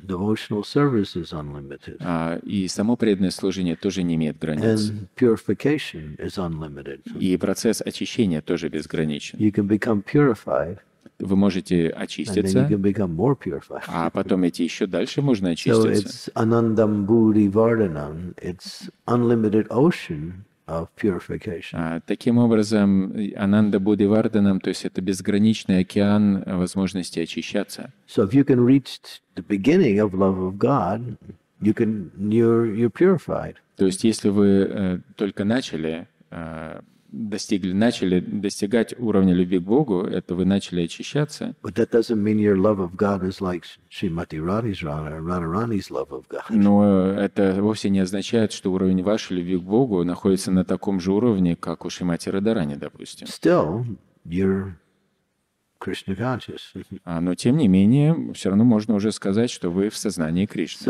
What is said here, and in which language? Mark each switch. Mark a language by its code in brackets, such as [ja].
[en] devotional service is unlimited. [ru] И само преданное служение тоже не имеет границ. [en] And purification is unlimited. [ru] И процесс очищения тоже безграничен. [en] You can become purified, [ru] вы можете очиститься, [en] and then you can become more purified. [ru] А потом идти еще дальше, можно очиститься. [en] So it's anandam bhuri vardhanam, it's unlimited ocean of purification. [ru] Таким образом, Ананда Будди Варданам, то есть это безграничный океан возможности очищаться. [en] So if you can reach the beginning of love of God, you're purified. [ru] То есть если вы только начали достигать уровня любви к Богу, это вы начали очищаться. [en] But that doesn't mean your love of God is like Srimati Radharani or Radharani's love of God. [ru] Но это вовсе не означает, что уровень вашей любви к Богу находится на таком же уровне, как у Шримати Радарани, допустим. [en] Still, you're Krishna conscious. [ru] Но тем не менее, все равно можно уже сказать, что вы в сознании Кришны.